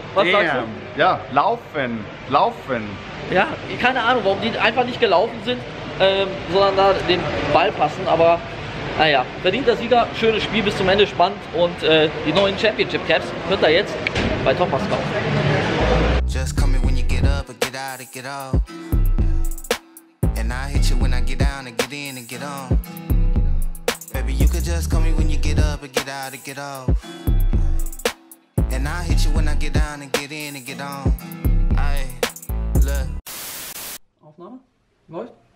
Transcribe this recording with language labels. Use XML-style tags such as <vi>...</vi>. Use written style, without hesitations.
<de>Was sagst du? Ja, laufen. Ja, keine Ahnung, warum die einfach nicht gelaufen sind, sondern da den Ball passen. Aber naja, verdienter Sieger, schönes Spiel bis zum Ende, spannend. Und die neuen Championship Caps könnt ihr jetzt bei Topaz kaufen.</de> <en>Just call me when you get up and get out and get off. And I hit you when I get down and get in and get on. Baby, you could just call me when you get up and get out and get off. And I hit you when I get down and get in and get on. Aye, look.</en> <de>Aufnahme? Läuft?</de>